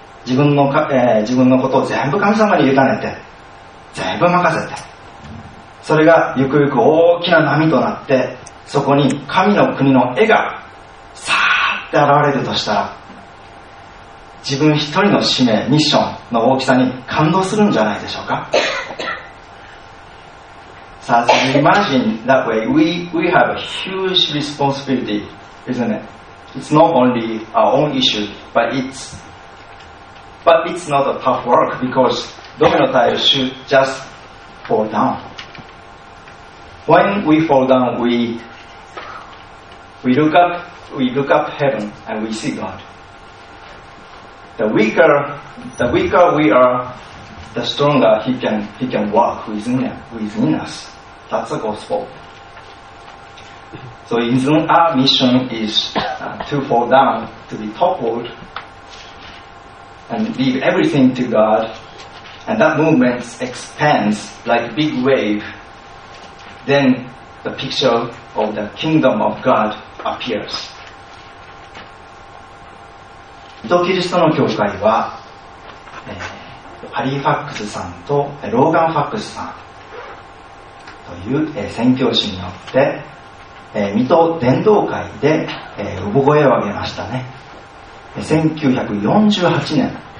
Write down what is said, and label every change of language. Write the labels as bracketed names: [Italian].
[Japanese] 自分のことを全部神様に委ねて全部任せて、それがゆくゆく大きな波となって、そこに神の国の絵がさーって現れるとしたら、自分一人の使命、ミッションの大きさに感動するんじゃないでしょうか。 [English] So as you imagine that way, we have a huge responsibility, isn't it? It's not only our own issue, but it's not a tough work because domino tile should just fall down. When we fall down, we look up heaven and we see God. The weaker we are, the stronger he can work within us. That's the gospel. So isn't our mission is to fall down, to be toppled, and leave everything to God, and that movement expands like a big wave, then the picture of the kingdom of God appears. [Japanese] ミトキリストの教会は、ハリー・ファックスさんとローガン・ファックスさんという、宣教師によって、ミト伝道会で、産声を上げましたね。1948年、